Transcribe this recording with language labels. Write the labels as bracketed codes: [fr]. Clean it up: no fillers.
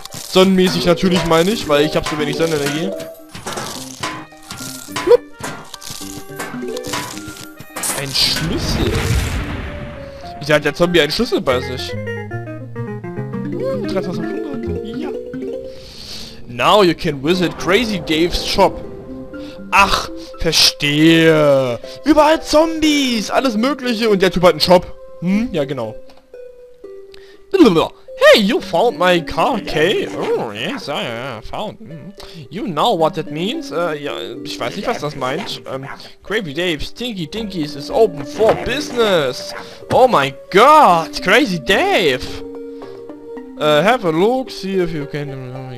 [de] Sonnenmäßig natürlich meine ich, weil ich habe so wenig Sonnenenergie. Schlüssel? Wieso hat der Zombie einen Schlüssel bei sich? Ja. [en] Now you can visit Crazy Dave's Shop. [de] Ach, verstehe. Überall Zombies, alles mögliche und der Typ hat einen Shop. Hm, ja genau. [en] Hey, you found my car, okay? Oh, yes, I found. You know what that means? [de] Ja, ich weiß nicht, was das meint. [en] Crazy Dave's Tinky Dinkies is open for business. Oh my god, Crazy Dave! Have a look, see if you can...